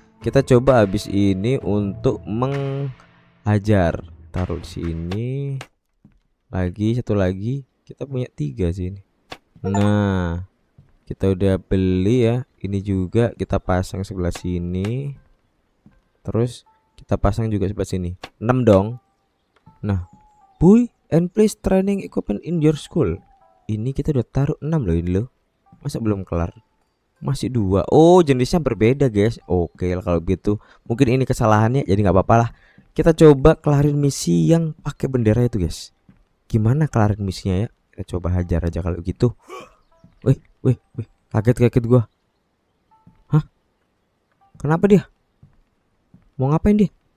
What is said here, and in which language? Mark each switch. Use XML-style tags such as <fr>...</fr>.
<id>Kita coba habis ini untuk menghajar. Taruh di sini. Lagi satu lagi. Kita punya 3 sih ini. Nah, kita udah beli ya ini juga kita pasang sebelah sini. Terus kita pasang juga sebelah sini. 6 dong.</id> <en>Nah, buy and place training equipment in your school.</en> <id>Ini kita udah taruh 6 loh ini loh. Masa belum kelar? Masih 2. Oh, jenisnya berbeda, guys. Oke, kalau gitu mungkin ini kesalahannya, jadi enggak apa-apalah. Kita coba kelarin misi yang pakai bendera itu, guys. Gimana kelarin misinya ya? Kita coba hajar aja kalau gitu. Wih, wih, wih. Kaget-kaget gua. Hah? Kenapa dia? Mau ngapain dia?</id>